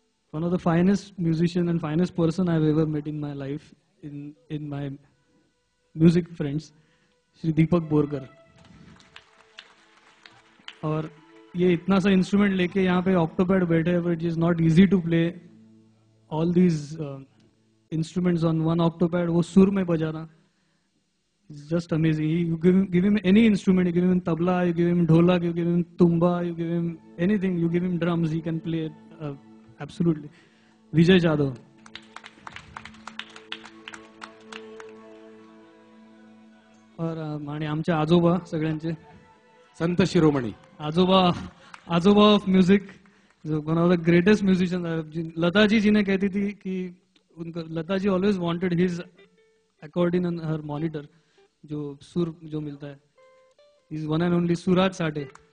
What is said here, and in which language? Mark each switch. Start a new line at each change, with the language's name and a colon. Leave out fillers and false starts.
English: One of the finest musician and finest person I've ever met in my life, in my music friends, Shri Deepak Borkar.
Hindi: और ये इतना सा instrument लेके यहाँ पे octopad बैठे हैं,
English: which is not easy to play all these instruments on one octopad.
Hindi: वो सुर में बजाना
English: is just amazing. You give him any instrument, you give him tabla, you give him dholak, you give him tumba, you give him anything, you give him drums, he can play. absolutely. Vijay Jadhav.
Marathi: और माने आमचे आजोबा सगळ्यांचे संत शिरोमणी
English: आजोबा आजोबा of music जो one of the greatest musician Lata ji
Hindi: जी ने कहती थी कि उनका
English: Lata ji always wanted his अकॉर्डिन and her monitor
Hindi: जो सुर जो मिलता है
English: is one and only Suraj Sathe